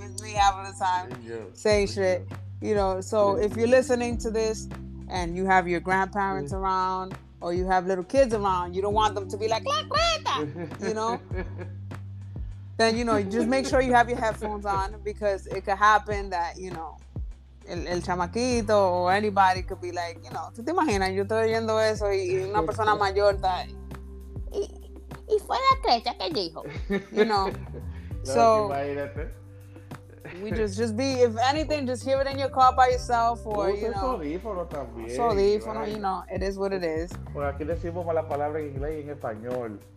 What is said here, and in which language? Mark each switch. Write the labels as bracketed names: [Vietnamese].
[English] It's me half of the time saying shit. You know, so if you're listening to this and you have your grandparents around or you have little kids around, you don't want them to be like, [Spanish] la cuenta, [English] you know? Then, you know, just make sure you have your headphones on, because it could happen that, you know, [Spanish] el chamaquito [English] or anybody could be like, you know, [Spanish] ¿tú te imaginas? Yo estoy oyendo eso y una persona mayor está... Y fue la creencia que dijo, [English] you know? [Spanish] So... [English] If anything, just hear it in your car by yourself, or, you know. [Spanish] Audífonos también, [English] you know, it is what it is. [Spanish] Bueno, aquí decimos mala palabra en inglés y en español.